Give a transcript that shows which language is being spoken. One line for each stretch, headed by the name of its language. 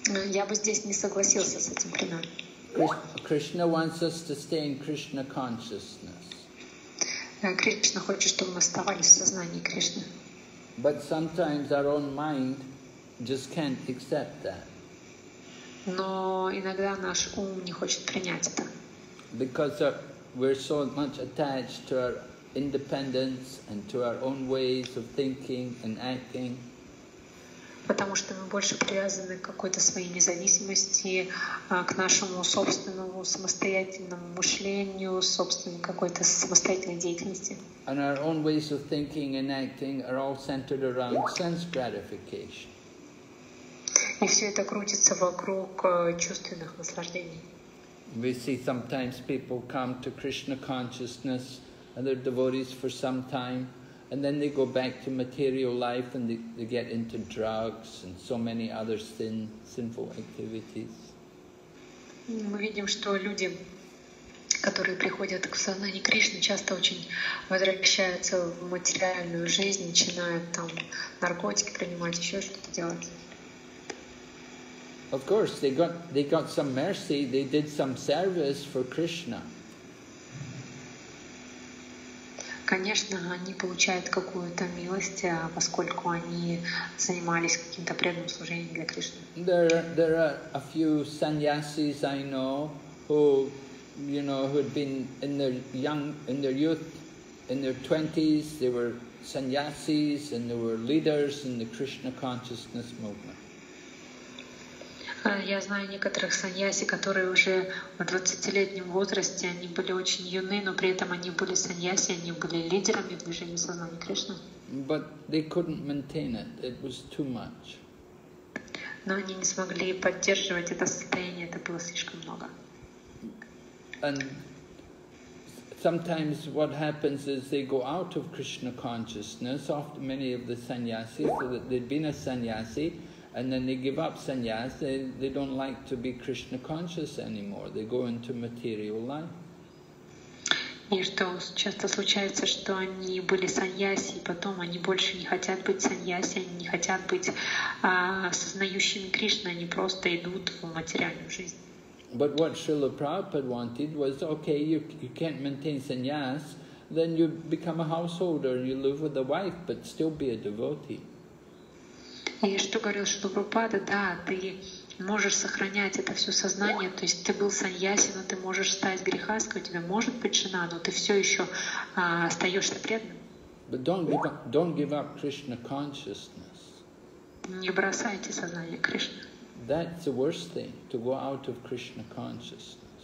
Russian: Я бы здесь не согласился с этим примером.
English: Krishna wants us to stay in Krishna consciousness.
Russian: Кришна хочет, чтобы мы оставались в сознании Кришны.
English: But sometimes our own mind just can't accept that.
Russian: Но иногда наш ум не хочет принять это.
English: Because we're so much attached to our independence and to our own ways of thinking and acting.
Russian: Потому что мы больше привязаны к какой-то своей независимости, к нашему собственному самостоятельному мышлению, собственной какой-то самостоятельной деятельности.
English: And our own ways of thinking and acting are all centered around sense gratification.
Russian: И все это крутится вокруг чувственных наслаждений.
English: We see sometimes people come to Krishna consciousness and they're devotees for some time, and then they go back to material life and they get into drugs and so many other sinful activities.
Russian: Мы видим, что люди, которые приходят к сознанию Кришны, часто очень возвращаются в материальную жизнь, начинают там наркотики принимать, еще что-то делать.
English: Of course, they got some mercy. They did some service for Krishna.
Russian: Конечно, они получают какую-то милость, поскольку они занимались каким-то преданным служением для Кришны.
English: There are a few sannyasis I know who, you know, who had been in their 20s. They were sannyasis and they were leaders in the Krishna consciousness movement.
Russian: Я знаю некоторых саньяси, которые уже в 20-летнем возрасте, они были очень юны, но при этом они были саньяси, они были лидерами в движении сознания Кришны.
English: But they couldn't maintain it. It was too much.
Russian: Но они не смогли поддерживать это состояние, это было слишком много.
English: And sometimes what happens is they go out of Krishna consciousness, often many of the sannyasi, so that they've been a sannyasi. And then they give up sannyas, they don't like to be Krishna conscious anymore. They go into material life.
Russian: И что часто случается, что они были саньяси, и потом они больше не хотят быть саньяси, они не хотят быть осознающими Кришну, они просто идут в материальную жизнь.
English: But what Srila Prabhupada wanted was, okay, you can't maintain sannyas, then you become a householder, you live with a wife, but still be a devotee.
Russian: И что говорил Шрила Прабхупада, да, ты можешь сохранять это все сознание, то есть ты был саньяси, но ты можешь стать грехаской, у тебя может быть жена, но ты все еще остаешься преданным.
English: But don't give up Krishna consciousness.
Russian: Не бросайте сознание Кришны.
English: That's the worst thing, to go out of Krishna consciousness.